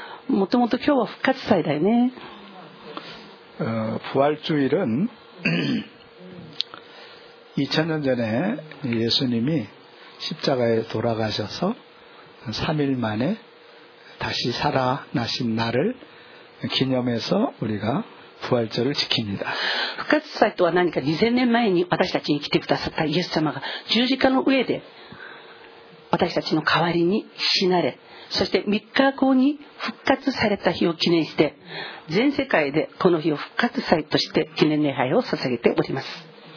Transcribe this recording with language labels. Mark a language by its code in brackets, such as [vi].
[ja] もともと今日は復活祭だよね。 [ko] 부활주일은 2000년전에예수님이십자가에돌아가셔서3일만에다시살아나신날을기념해서우리가부활절을지킵니다。 [ja] 復活祭とは何か2000年前に私たちに来てくださったイエス様が十字架の上で私たちの代わりに死なれ、そして3日後に復活された日を記念して全世界でこの日を復活祭として記念礼拝を捧げております。